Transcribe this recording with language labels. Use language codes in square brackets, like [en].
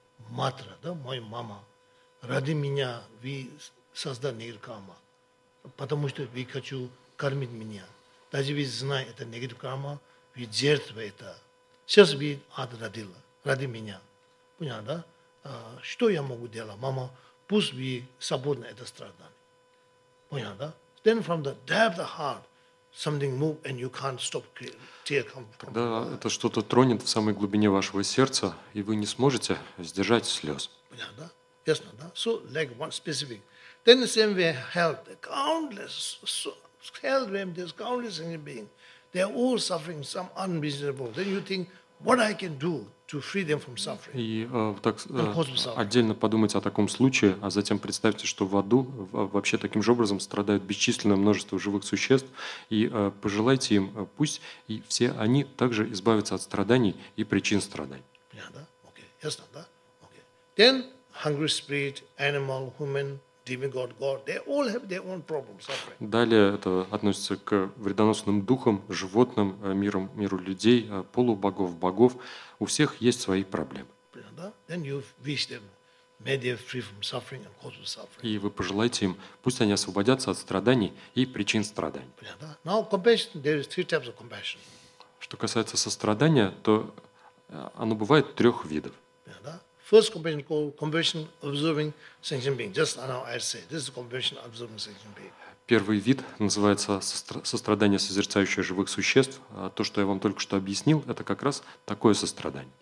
[ru] Матра, да, моя мама, ради меня вы создали негатив-карма, потому что вы хочу кормить меня. Даже вы знаете, это негатив-карма, вы жертва это. Сейчас вы ад родила, ради меня. Понял, да? Что я могу делать, мама? Пусть вы свободны это страдание. [en] Then from the depth of heart, something move and you can't stop tear come. [ru] Когда это что-то тронет в самой глубине вашего сердца и вы не сможете сдержать слез. Ясно, да? [en] So like one specific. Then the same way health, countless health realm, there's countless human being, they're all suffering some unreasonable. Then you think, what I can do to free them from suffering? [ru] И так отдельно подумать о таком случае, а затем представьте, что в аду вообще таким же образом страдают бесчисленное множество живых существ, и пожелайте им, пусть и все они также избавятся от страданий и причин страданий. Понятно, да? Окей. Ясно, да? Окей. [en] Then hungry spirit, animal, human, demigod, god, they all have their own problems, suffering. [ru] Далее это относится к вредоносным духам, животным, миру людей, полубогов, богов. У всех есть свои проблемы. [en] Then you wish them, may they be free from suffering and cause of suffering. [ru] И вы пожелаете им, пусть они освободятся от страданий и причин страданий. [en] Now compassion, there is three types of compassion. [ru] Что касается сострадания, то оно бывает трех видов. [en] First compassion called compassion observing sentient being. Just now I said this is compassion observing sentient being. [ru] Первый вид называется сострадание созерцающее живых существ. То, что я вам только что объяснил, это как раз такое сострадание.